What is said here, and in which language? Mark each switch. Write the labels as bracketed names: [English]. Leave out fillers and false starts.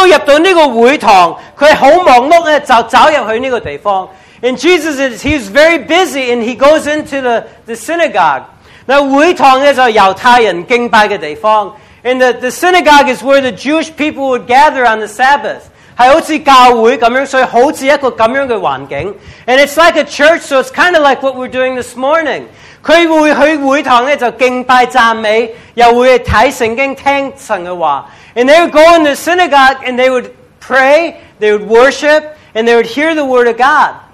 [Chinese] 那耶稣入到这个会堂， 他很忙碌呢， 就走进去这个地方。 [English] And Jesus is, he's very busy, and he goes into the synagogue. [Chinese] 那会堂呢，就是犹太人敬拜的地方。 [English] And the synagogue is where the Jewish people would gather on the Sabbath. [Chinese] 是好像教会这样，所以好像一个这样的环境。 [English] And it's like a church, so it's kind of like what we're doing this morning. [Chinese] 他会去会堂就敬拜赞美，又会看圣经听神的话。 [English] And they would go in the synagogue, and they would pray, they would worship, and they would hear the word of God.